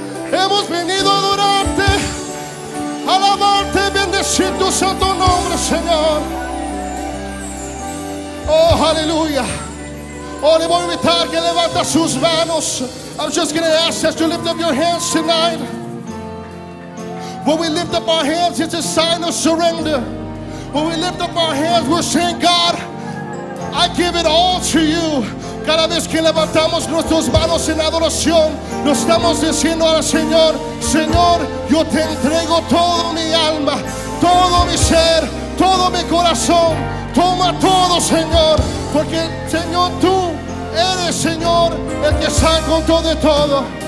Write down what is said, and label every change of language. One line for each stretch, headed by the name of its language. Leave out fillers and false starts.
Spanish: Hemos venido a adorarte, a alabarte, bendecir tu santo nombre, Señor. Oh, aleluya. Oh, le voy a invitar que levanta sus manos.
English: I'm just going to ask that you lift up your hands tonight. When we lift up our hands, it's a sign of surrender. When we lift up our hands, we're saying, God, I give it all to you.
Spanish: Cada vez que levantamos nuestras manos en adoración, nos estamos diciendo al Señor, Señor, yo te entrego toda mi alma, todo mi ser, todo mi corazón. Toma todo, Señor, porque Señor, tú eres, Señor, el que está en control de todo.